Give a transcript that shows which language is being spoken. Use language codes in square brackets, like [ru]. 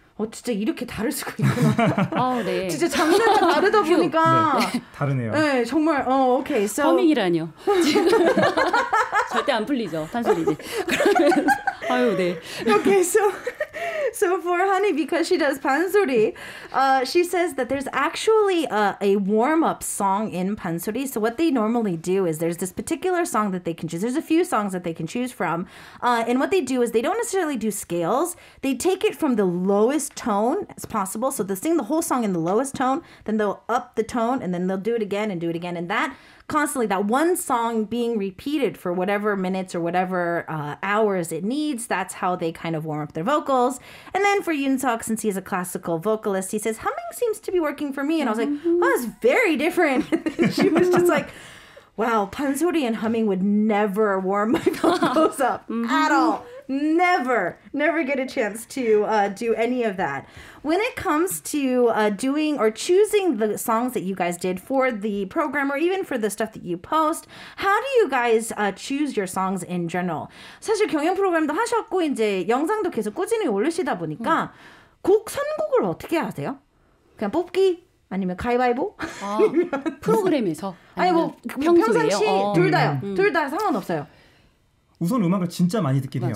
[ko] 진짜 이렇게 다를 수가 있구나. 네. 진짜 장르가 다르다 보니까. 네, 다르네요. 네, 정말. 오케이. 허밍이라뇨. 절대 안 풀리죠, 판소리지. 아유, 네. [en] Okay, so for Honey, because she does 판소리, she says that there's actually a warm-up song in 판소리. So what they normally do is there's this particular song that they can choose. There's a few songs that they can choose from. And what they do is they don't necessarily do scales. They take it from the lowest tone as possible. So they sing the whole song in the lowest tone, then they'll up the tone, and then they'll do it again and do it again. And that constantly, that one song being repeated for whatever minutes or whatever hours it needs, that's how they kind of warm up their vocals. And then for Yoon-seok, since he's a classical vocalist, he says, humming seems to be working for me. And I was like, oh, that's very different. She was just like, wow, 판소리 and humming would never warm my vocals up at all. Never get a chance to do any of that. When it comes to doing or choosing the songs that you guys did for the program or even for the stuff that you post, how do you guys choose your songs in general? [ko] 사실 경연 프로그램도 하셨고 이제 영상도 계속 꾸준히 올리시다 보니까 곡 선곡을 어떻게 하세요? 그냥 뽑기 아니면 가위바위보? 프로그램에서? 아니 뭐 평상시 둘 다요. 둘 다 상관없어요. 우선 음악을 진짜 많이 듣긴 해요.